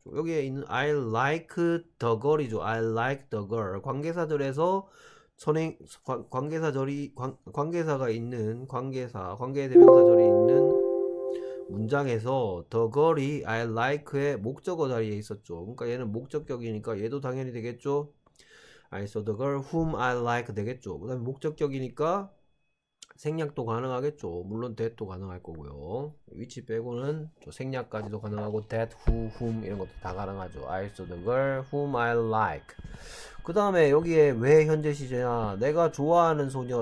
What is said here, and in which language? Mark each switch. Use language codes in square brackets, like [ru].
[ko] 여기에 있는 [en] I like the girl [ko] 이죠. I like the girl 관계사절에서 선행 관계사절이 관계사가 있는 관계사 관계대명사절이 있는 문장에서 the girl이 I like의 목적어 자리에 있었죠. 그러니까 얘는 목적격이니까 얘도 당연히 되겠죠. [en] I saw the girl whom I like [ko] 되겠죠. 그 다음에 목적격이니까 생략도 가능하겠죠. 물론 that도 가능할 거고요. 위치 빼고는 저 생략까지도 가능하고 that, who, whom 이런 것도 다 가능하죠. [en] I saw the girl whom I like. [ko] 그 다음에 여기에 왜 현재 시제냐? 내가 좋아하는 소녀.